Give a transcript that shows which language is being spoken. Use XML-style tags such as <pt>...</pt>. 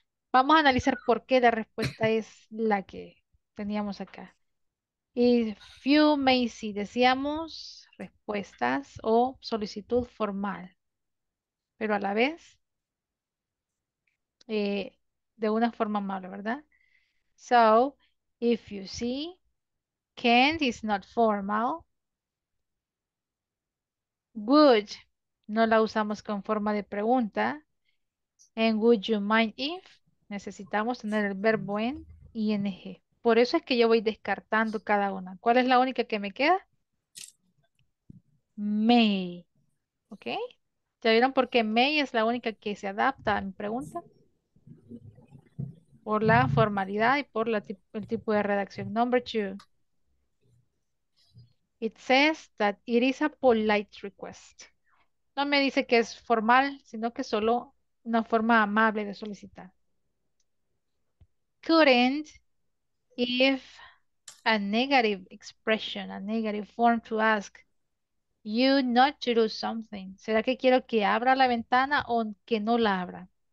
<es>Vamos a analizar por qué la respuesta es la que teníamos acá. Y few may see, decíamos respuestas o solicitud formal. Pero a la vez, de una forma amable, ¿verdad?</es> <en>So, if you see, can't is not formal.</en> <es>Would, no la usamos con forma de pregunta.</es> <en>And would you mind if,</en> <es>necesitamos tener el verbo en ing. Por eso es que yo voy descartando cada una. ¿Cuál es la única que me queda? May. ¿Ok? ¿Ya vieron por qué may es la única que se adapta a mi pregunta? Por la formalidad y por el tipo de redacción.</es> <en>Number two. It says that it is a polite request.</en> <es>No me dice que es formal, sino que solo una forma amable de solicitar.</es> <en>Couldn't, if a negative expression, a negative form to ask you not to do something.</en> <es>¿Será que quiero que abra la ventana o que no la abra?</es>